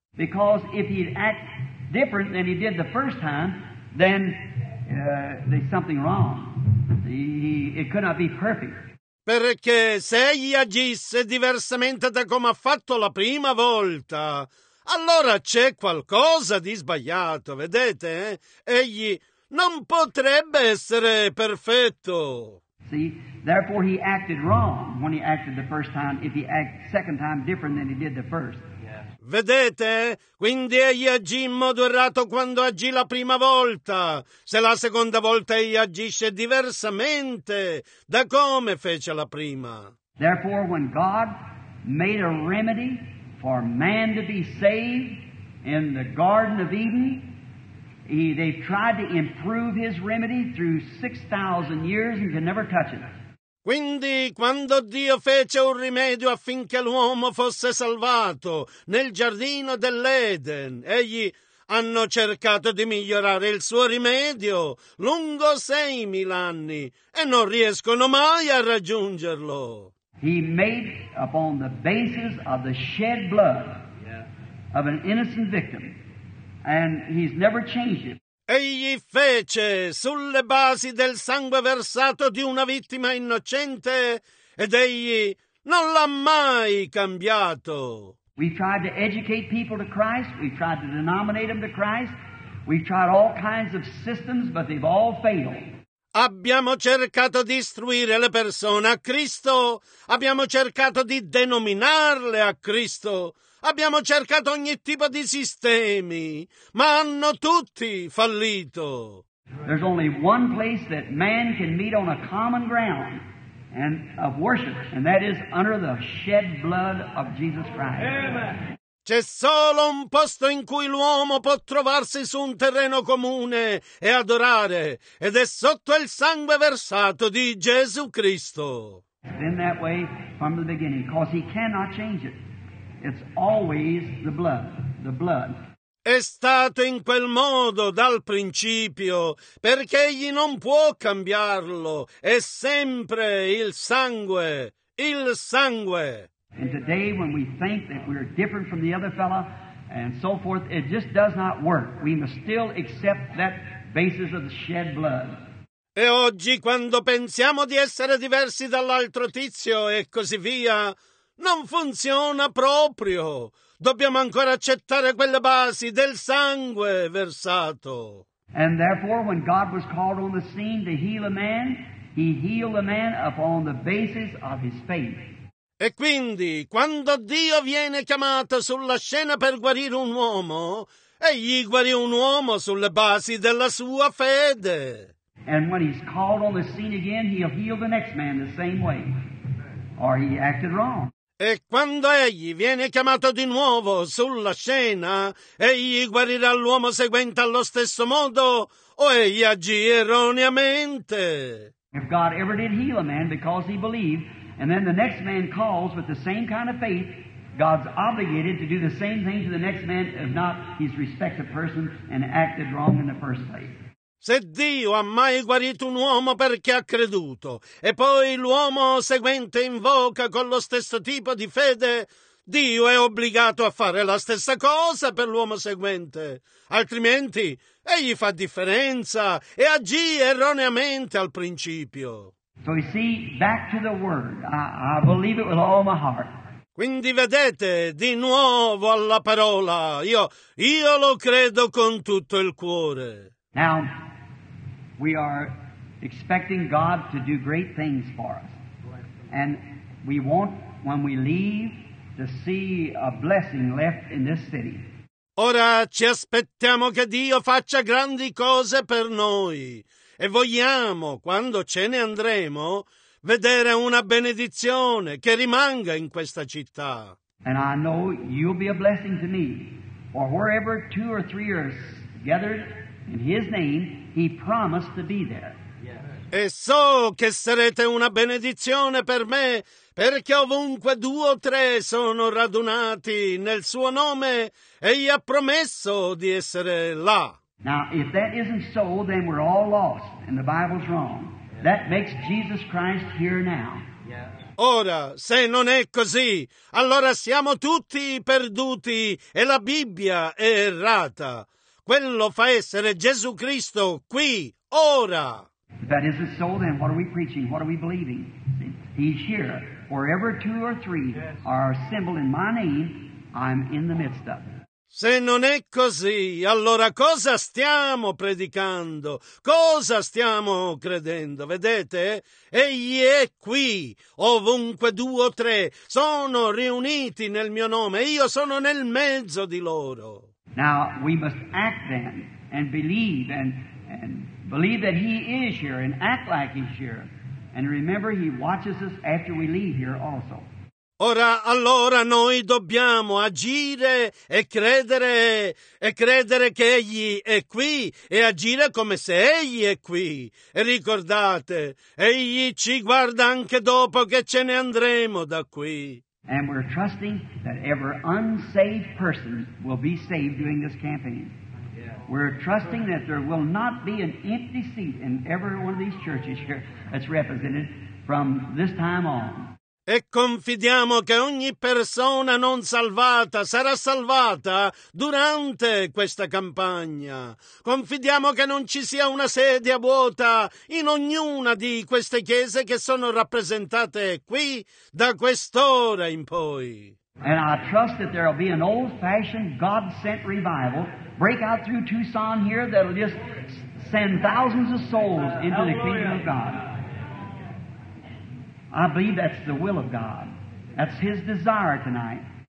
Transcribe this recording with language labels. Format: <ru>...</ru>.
<en>Because if he'd act different than he did the first time, then there's something wrong. It could not be perfect.</en> <it>Perché se egli agisse diversamente da come ha fatto la prima volta, allora c'è qualcosa di sbagliato, vedete? Egli non potrebbe essere perfetto.</it> <en>See, therefore he acted wrong when he acted the first time, if he acted second time different than he did the first. Yeah.</en> <it>Vedete? Quindi egli agì in modo errato quando agì la prima volta. Se la seconda volta egli agisce diversamente da come fece la prima.</it> <en>Therefore, when God made a remedy for man to be saved in the Garden of Eden, they tried to improve his remedy through 6,000 years and could never touch it.</en> <it>Quindi, quando Dio fece un rimedio affinché l'uomo fosse salvato nel giardino dell'Eden, egli hanno cercato di migliorare il suo rimedio lungo 6,000 anni e non riescono mai a raggiungerlo.</it> <en>He made upon the basis of the shed blood of an innocent victim, and he's never changed it.</en> <it>Egli fece sulle basi del sangue versato di una vittima innocente ed egli non l'ha mai cambiato.</it> <en>We've tried to educate people to Christ, we've tried to denominate them to Christ, we've tried all kinds of systems, but they've all failed.</en> <it>Abbiamo cercato di istruire le persone a Cristo, abbiamo cercato di denominarle a Cristo. Abbiamo cercato ogni tipo di sistemi, ma hanno tutti fallito.</it> <en>There's only one place that man can meet on a common ground and of worship, and that is under the shed blood of Jesus Christ.</en> <it>C'è solo un posto in cui l'uomo può trovarsi su un terreno comune e adorare, ed è sotto il sangue versato di Gesù Cristo.</it> <en>In that way from the beginning, because he cannot change it. It's always the blood, the blood.</en> <it>È stato in quel modo dal principio, perché egli non può cambiarlo. È sempre il sangue, il sangue.</it> <en>And today when we think that we're different from the other fellow and so forth, it just does not work. We must still accept that basis of the shed blood.</en> <it>E oggi quando pensiamo di essere diversi dall'altro tizio e così via, non funziona proprio. Dobbiamo ancora accettare quelle basi del sangue versato.</it> <en>And therefore, when God was called on the scene to heal a man, he healed a man upon the basis of his faith.</en> <it>E quindi, quando Dio viene chiamato sulla scena per guarire un uomo, egli guarì un uomo sulle basi della sua fede.</it> <en>And when he's called on the scene again, he'll heal the next man the same way. Or he acted wrong.</en> <it>E quando egli viene chiamato di nuovo sulla scena, egli guarirà l'uomo seguente allo stesso modo o egli agì erroneamente?</it> <en>If God ever did heal a man because he believed, and then the next man calls with the same kind of faith, God's obligated to do the same thing to the next man, if not he's respected person and acted wrong in the first place.</en> <it>Se Dio ha mai guarito un uomo perché ha creduto e poi l'uomo seguente invoca con lo stesso tipo di fede, Dio è obbligato a fare la stessa cosa per l'uomo seguente. Altrimenti, egli fa differenza e agì erroneamente al principio.</it> <en>So you see, back to the word. I believe it with all my heart.</en> <it>Quindi vedete, di nuovo alla parola. Io lo credo con tutto il cuore.</it> <en>Now, we are expecting God to do great things for us. And we want, when we leave, to see a blessing left in this city.</en> <it>Ora ci aspettiamo che Dio faccia grandi cose per noi. E vogliamo, quando ce ne andremo, vedere una benedizione che rimanga in questa città.</it> <en>And I know you'll be a blessing to me. Or wherever two or three are gathered in his name, he promised to be there.</en> <it>E so che sarete una benedizione per me, perché ovunque due o tre sono radunati nel suo nome, egli ha promesso di essere là.</it> <en>Now, if that isn't so, then we're all lost, and the Bible's wrong. That makes Jesus Christ here now.</en> <it>Ora, se non è così, allora siamo tutti perduti, e la Bibbia è errata. Quello fa essere Gesù Cristo qui, ora.</it> <en>If that isn't so, then what are we preaching? What are we believing? He's here. Wherever two or three are assembled in my name, I'm in the midst of.</en> <it>Se non è così, allora cosa stiamo predicando? Cosa stiamo credendo? Vedete? Egli è qui, ovunque due o tre sono riuniti nel mio nome. Io sono nel mezzo di loro.</it> <en>Now we must act then and believe and believe that he is here and act like he's here. And remember, he watches us after we leave here also.</en> <it>Ora, allora, noi dobbiamo agire e credere che Egli è qui e agire come se Egli è qui. E ricordate, Egli ci guarda anche dopo che ce ne andremo da qui.</it> <en>And we're trusting that every unsaved person will be saved during this campaign. We're trusting that there will not be an empty seat in every one of these churches here that's represented from this time on.</en> <it>E confidiamo che ogni persona non salvata sarà salvata durante questa campagna. Confidiamo che non ci sia una sedia vuota in ognuna di queste chiese che sono rappresentate qui da quest'ora in poi.</it> <en>And I trust that there will be an old-fashioned God-sent revival break out through Tucson here that will just send thousands of souls into the kingdom of God. I believe that's the will of God. That's His desire tonight.</en>